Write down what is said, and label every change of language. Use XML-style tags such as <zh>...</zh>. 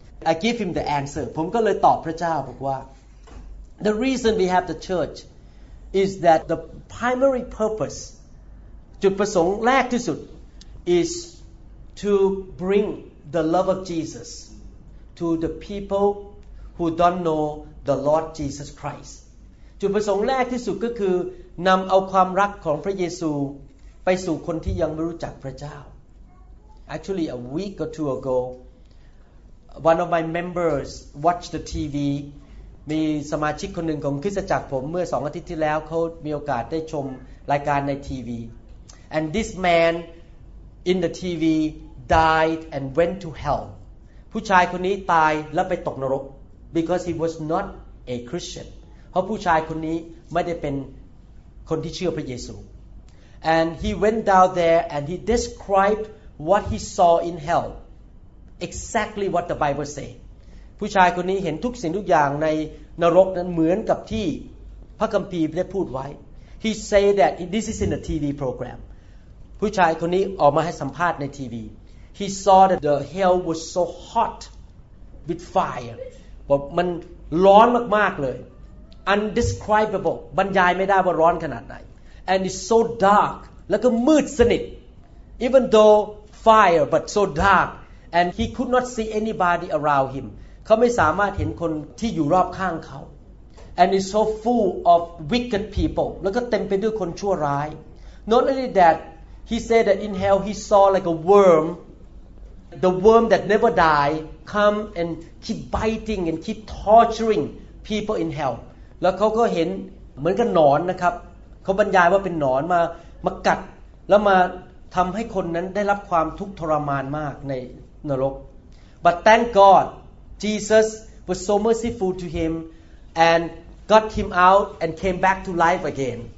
<en>I give him the answer</en> <th>ผมก็เลยตอบพระเจ้าบอกว่า</th> <en>The reason we have the church is that the primary purpose,</en> <th>จุดประสงค์แรกที่สุด,</th> <en>is to bring the love of Jesus to the people who don't know the Lord Jesus Christ.</en> <th>จุดประสงค์แรกที่สุดก็คือนำเอาความรักของพระเยซูไปสู่คนที่ยังไม่รู้จักพระเจ้า.</th> <en>Actually, a week or two ago, One of my members watched the TV.</en> <th>มีสมาชิกคนหนึ่งของคริสตจักรผมเมื่อ2อาทิตย์ที่แล้วเขามีโอกาสได้ชมรายการในทีวี</th> <en>And this man in the TV died and went to hell.</en> <th>ผู้ชายคนนี้ตายแล้วไปตกนรก</th> <en>because he was not a Christian.</en> <th>เพราะผู้ชายคนนี้ไม่ได้เป็นคนที่เชื่อพระเยซู</th> <en>And he went down there and he described what he saw in hell. Exactly what the Bible says.</en> <th>ผู้ชายคนนี้เห็นทุกสิ่งทุกอย่างในนรกนั้นเหมือนกับที่พระคัมภีร์ได้พูดไว้</th> <en>He said that this is in a TV program.</en> <th>ผู้ชายคนนี้ออกมาให้สัมภาษณ์ในทีวี</th> <en>He saw that the hell was so hot with fire.</en> <th>บอกมันร้อนมากๆเลย Undescribable. บรรยายไม่ได้ว่าร้อนขนาดไหน</th> <en>And it's so dark.</en> <th>แล้วก็มืดสนิท</th> <en>Even though fire but so dark. And he could not see anybody around him.</en> <th>เขาไม่สามารถเห็นคนที่อยู่รอบข้างเขา</th> <en>and it's so full of wicked people</en> <th>แล้วก็เต็มไปด้วยคนชั่วร้าย</th> <en>not only that he said that in hell he saw like a worm the worm that never die come and keep biting and keep torturing people in hell</en> <th>แล้วเขาก็เห็นเหมือนกับหนอนนะครับเขาบรรยายว่าเป็นหนอนมากัดแล้วมาทำให้คนนั้นได้รับความทุกข์ทรมานมากในนรก</th> <en>but thank godJesus was so merciful to him and got him out and came back to life again.</en>